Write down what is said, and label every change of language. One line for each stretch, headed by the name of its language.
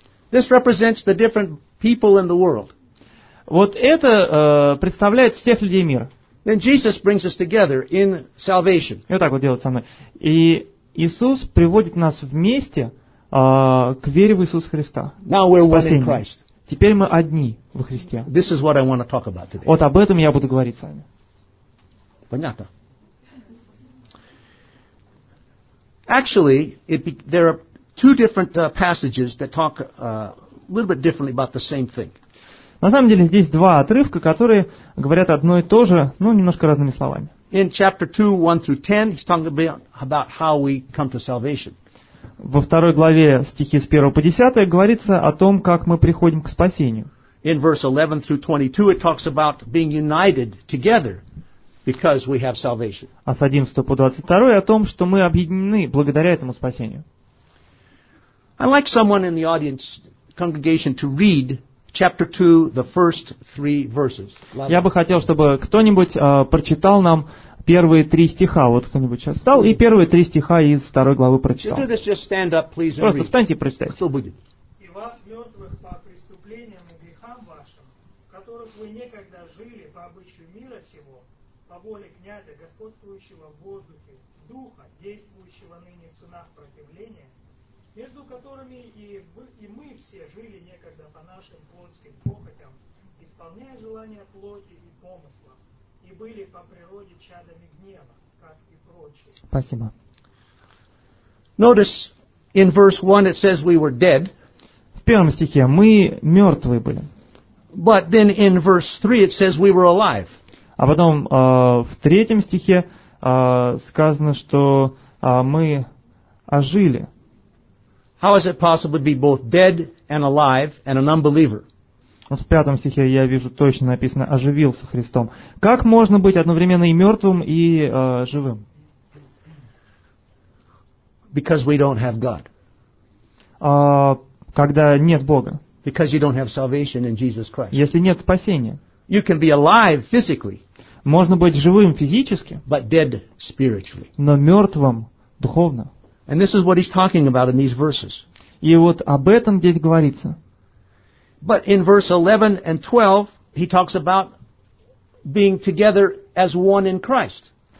English: This represents the different people in the world.
Russian: Вот это представляет всех людей мира.
English: Then Jesus brings us together in salvation.
Russian: И вот так вот делает со мной. И Иисус приводит нас вместе к вере в Иисуса Христа.
English: Now we're one in Christ.
Russian: Теперь мы одни во Христе.
English: This is what I want to talk about today.
Russian: Вот об этом я буду говорить с вами. Понятно.
English: Actually, there are two different passages that talk a little bit differently about the same thing.
Russian: На самом деле здесь два отрывка, которые говорят одно и то же, но немножко разными словами.
English: In chapter 2, 1 through 10, he's talking about how we come to salvation.
Russian: Во второй главе стихи с 1 по 10 говорится о том, как мы приходим к спасению.
English: In verse 11 through 22, it talks about being united together because we have salvation.
Russian: А с 11 по 22 о том, что мы объединены благодаря этому спасению.
English: I'd like someone in the audience, congregation, to read Chapter 2, the first three verses.
Russian: Я бы хотел, чтобы кто-нибудь прочитал нам первые три стиха. Вот кто-нибудь сейчас встал и первые три стиха из второй главы прочитал. Просто встаньте и прочитайте. Кто будет? И вас, мертвых по преступлениям и грехам вашим, в которых вы некогда жили по обычаю мира сего, по воле князя, господствующего в воздухе, духа, действующего ныне сынах противления, между которыми и мы все жили некогда по нашим плотским похотям, исполняя желания плоти и помысла, и были по природе чадами гнева, как и прочие. Спасибо.
English: Notice in verse 1 it says we were dead.
Russian: В первом стихе мы мертвые были.
English: But then in verse 3 it says we were alive.
Russian: А потом в третьем стихе сказано, что мы ожили.
English: How is it possible to be both dead and alive and an unbeliever?
Russian: Вот в пятом стихе я вижу точно написано «оживился Христом». Как можно быть одновременно и мертвым, и живым?
English: Because we don't have God.
Russian: Когда нет Бога.
English: Because you don't have salvation in Jesus Christ.
Russian: Если нет спасения.
English: You can be alive physically.
Russian: Можно быть живым физически.
English: But dead spiritually.
Russian: Но мертвым духовно.
English: And this is what he's talking about in these verses.
Russian: И вот об этом здесь говорится.
English: But in verse 11 and 12, he talks about being together as one in Christ.